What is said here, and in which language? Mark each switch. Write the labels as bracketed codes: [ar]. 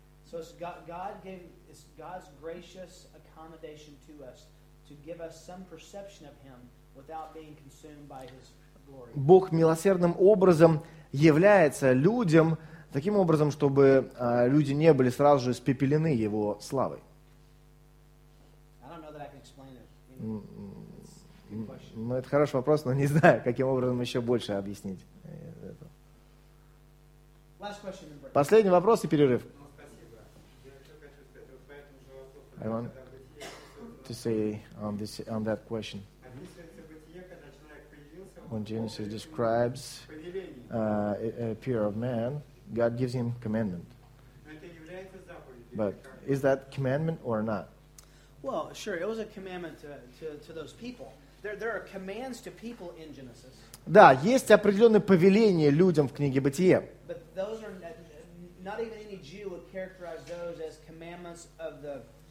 [en] So it's God's gracious accommodation to us to give us some perception of Him without being consumed by His glory. [ru] Бог милосердным образом является людям таким образом, чтобы люди не были сразу же испепелены Его славой. [en] I don't know that I can explain it. [ru] Ну, это хороший вопрос, но не знаю, каким образом еще больше объяснить это. [en] Last question. [ru] Последний вопрос и перерыв. [en] I want to say on this on that question. When Genesis describes a pair of men, God gives him commandment. But is that commandment or not? Well, sure, it was a commandment to those people. There are commands to people in Genesis. [ru] Да, есть определенные повеления людям в книге Бытие. [en] But those are not even any Jew would characterize those as commandments of the